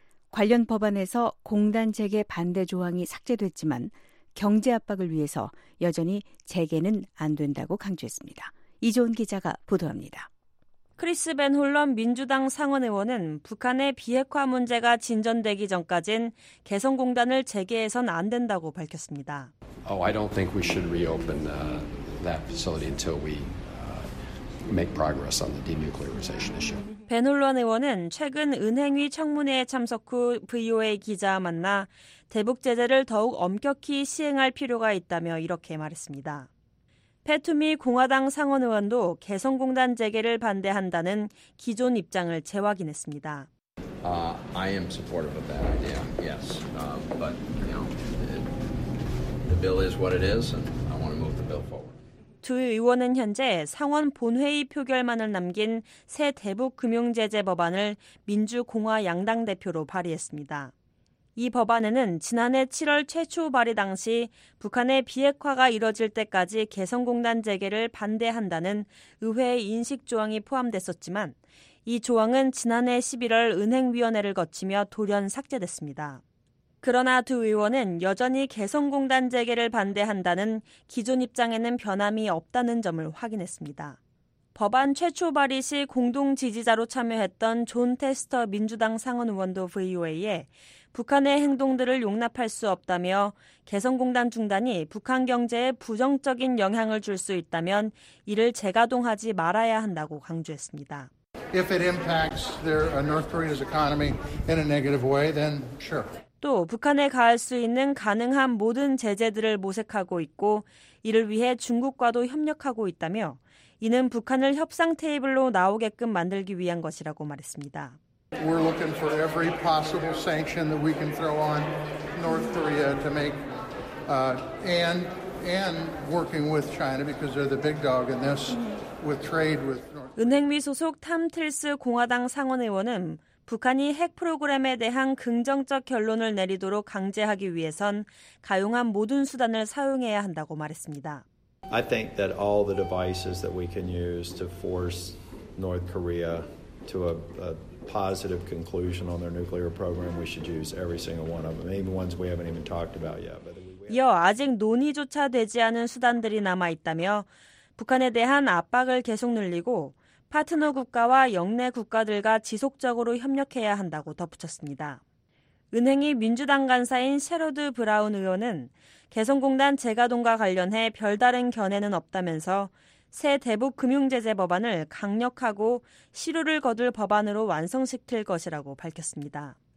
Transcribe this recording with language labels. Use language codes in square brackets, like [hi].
[ko] 관련 법안에서 공단 재개 반대 조항이 삭제됐지만 경제 압박을 위해서 여전히 재개는 안 된다고 강조했습니다. 이조은 기자가 보도합니다. 크리스 벤 훌런 민주당 상원의원은 북한의 비핵화 문제가 진전되기 전까지는 개성공단을 재개해선 안 된다고 밝혔습니다. [en] I don't think we should reopen that facility until we make progress on the denuclearization issue. [ko] 벤 훌런 의원은 최근 은행위 청문회에 참석 후 VOA 기자와 만나 대북 제재를 더욱 엄격히 시행할 필요가 있다며 이렇게 말했습니다. 페투미 공화당 상원 의원도 개성공단 재개를 반대한다는 기존 입장을 재확인했습니다. [en] I am supportive of that idea. Yes. But you know, the bill is what it is and I want to move the bill forward. [ko] 두 의원은 현재 상원 본회의 표결만을 남긴 새 대북 금융 제재 법안을 민주공화 양당 대표로 발의했습니다. 이 법안에는 지난해 7월 최초 발의 당시 북한의 비핵화가 이뤄질 때까지 개성공단 재개를 반대한다는 의회의 인식 조항이 포함됐었지만 이 조항은 지난해 11월 은행위원회를 거치며 돌연 삭제됐습니다. 그러나 두 의원은 여전히 개성공단 재개를 반대한다는 기존 입장에는 변함이 없다는 점을 확인했습니다. 법안 최초 발의 시 공동 지지자로 참여했던 존 테스터 민주당 상원 의원도 VOA에 북한의 행동들을 용납할 수 없다며 개성공단 중단이 북한 경제에 부정적인 영향을 줄 수 있다면 이를 재가동하지 말아야 한다고 강조했습니다. [en] If it impacts their North Korea's economy in a negative way, then sure. [ko] 또 북한에 가할 수 있는 가능한 모든 제재들을 모색하고 있고 이를 위해 중국과도 협력하고 있다며 이는 북한을 협상 테이블로 나오게끔 만들기 위한 것이라고 말했습니다. [en] We're looking for every possible sanction that we can throw on North Korea to make and working with China because they're the big dog in this with trade with North Korea. [ko] 은행위 소속 탐 틸스 공화당 상원 의원은 북한이 핵 프로그램에 대한 긍정적 결론을 내리도록 강제하기 위해선 가용한 모든 수단을 사용해야 한다고 말했습니다. [en] I think that all the devices that we can use to force North Korea to a positive conclusion on their nuclear program, we should use every single one of them, even ones we haven't even talked about yet. [ko] 이어 아직 논의조차 되지 않은 수단들이 남아 있다며 북한에 대한 압박을 계속 늘리고 파트너 국가와 영내 국가들과 지속적으로 협력해야 한다고 덧붙였습니다. 은행이 민주당 간사인 셰러드 브라운 의원은 개성공단 재가동과 관련해 별다른 견해는 없다면서 새 대북 금융제재 법안을 강력하고 실효를 거둘 법안으로 완성시킬 것이라고 밝혔습니다.